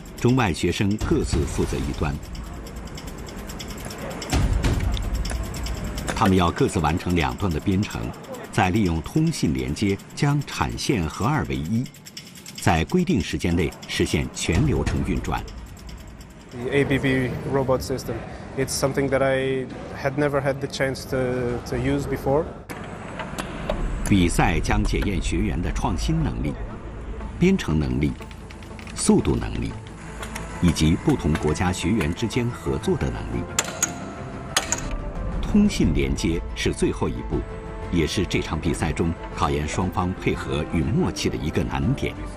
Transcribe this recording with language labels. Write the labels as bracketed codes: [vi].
[zh] 葡萄牙塞图巴尔理工学院与中国天津机电职业技术学院联合派出两组参赛队员，他们是王博和佩德罗，以及杨少飞和马丁。自动化物料分拣系统被分成前后两个部分，中外学生各自负责一端。他们要各自完成两段的编程。再利用通信连接将产线合二为一，在规定时间内实现全流程运转。 [en] The ABB robot system, it's something that I had never had the chance to use before. [zh] 比赛将检验学员的创新能力、编程能力、速度能力，以及不同国家学员之间合作的能力。通信连接是最后一步，也是这场比赛中考验双方配合与默契的一个难点。